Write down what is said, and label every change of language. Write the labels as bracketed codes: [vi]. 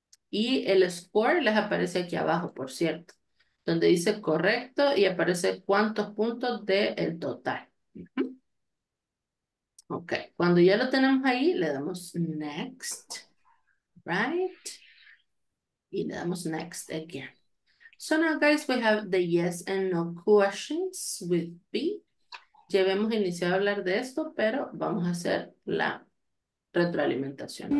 [es] Y el score les aparece aquí abajo, por cierto, donde dice correcto y aparece cuántos puntos del total. Ok, cuando ya lo tenemos ahí, le damos next, right? Y le damos [en] next again. So now guys, we have the yes and no questions with B. [es] Ya habíamos iniciado a hablar de esto, pero vamos a hacer la retroalimentación.